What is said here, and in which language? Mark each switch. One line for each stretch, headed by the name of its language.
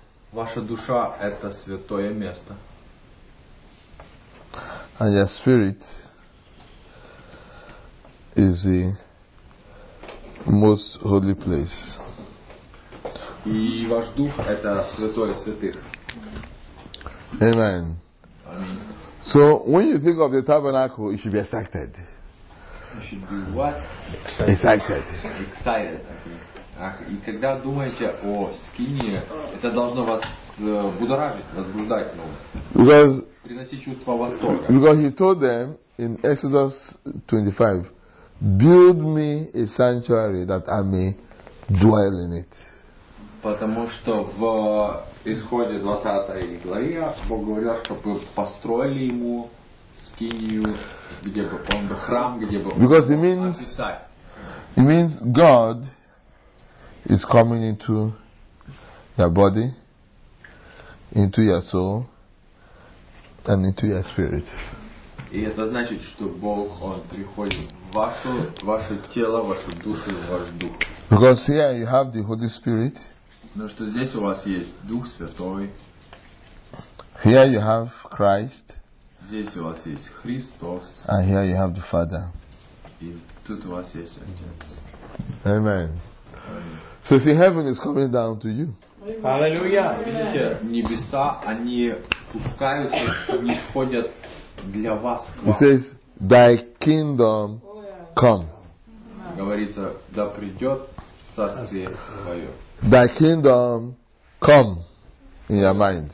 Russian: Ваша душа это святое место.
English: And your spirit is the most holy place.
Russian: И ваш дух это святое святых.
English: Amen. So when you think of the tabernacle, you should be excited. You should be what? Excited. Excited.
Russian: И когда думаете о скинии, это должно вас будоражить, возбуждать. Приносить чувство восторга.
English: Because he told them in Exodus 25, build me a sanctuary that I may dwell in it.
Russian: Потому что в исходе 20 главе Бог говорил, чтобы построили ему скинию, где бы он был храм, где бы он
English: Because it means, описать. It means God is coming into your body, into your soul, and into your spirit.
Russian: И это значит, что Бог, он приходит в ваше тело, в вашу душу, в ваш дух.
English: Because here you have the Holy Spirit.
Russian: Но что здесь у вас есть Дух Святой.
English: Here you have Christ.
Russian: Здесь у вас есть Христос.
English: And here you have the Father.
Russian: И тут у вас есть Отец.
English: Amen. Amen. So see, heaven is coming down to you. Hallelujah.
Russian: Видите, небеса, они спускаются, они входят для вас.
English: He says, Thy kingdom come.
Russian: Говорится, да придет царствие твое.
English: Thy kingdom come in your mind.